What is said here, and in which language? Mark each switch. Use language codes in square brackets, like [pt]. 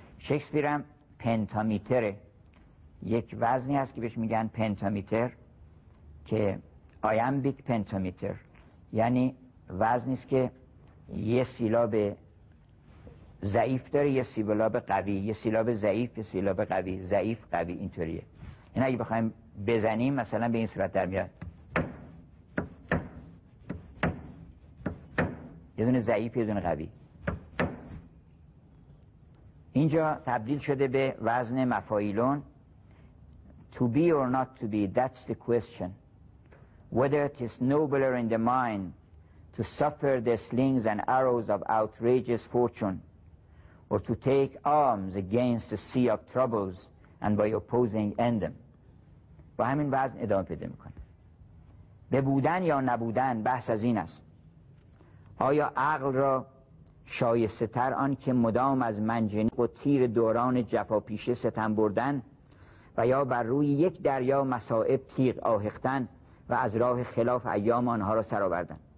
[fa] شکسپیر هم پنتامیتره، یک وزنی هست که بهش میگن پنتامیتر که آیمبیک پنتامیتر، یعنی وزنیست که یه سیلاب ضعیف داره، یه سیلاب قوی، یه سیلاب ضعیف، یه سیلاب قوی، ضعیف قوی، اینطوریه. این اگه بخوایم بزنیم مثلا به این صورت در میاد، یه دونه ضعیف، یه دونه قوی. اینجا تبدیل شده به وزن مفاعیلون. [en] To be or not to be, that's the question. Whether it is nobler in the mind to suffer the slings and arrows of outrageous fortune, or to take arms against the sea of troubles and by opposing end them. [fa] با همین وزن ادامه پیدا میکنه. به بودن یا نبودن بحث از این است. آیا عقل را شایسته تر آن که مدام از منجنیق و تیر دوران جفاپیشه ستم بردن، و یا بر روی یک دریا مصائب تیغ آهختن و از راه خلاف ایام آنها را سرآوردن؟